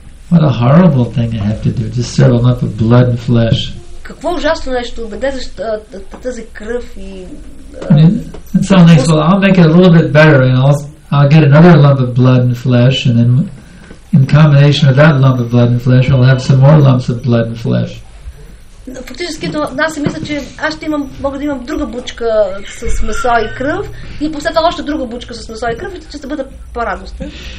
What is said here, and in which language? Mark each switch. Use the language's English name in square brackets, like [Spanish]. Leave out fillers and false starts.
[English] What a horrible thing I have to do, just serve a lump of blood and flesh. [Bulgarian] Какво ужасно нещо, да гледаш тази кръв и... [English] So nice, well, I'll make it a little bit better, and I'll get another lump of blood and flesh, and then in combination with that lump of blood and flesh, I'll have some more lumps of blood and flesh. [Bulgarian] Фактически, аз си мисля, че аз ще имам, мога да имам друга бучка с месо и кръв, и после това още друга бучка с месо и кръв, и ще бъда по-радостен.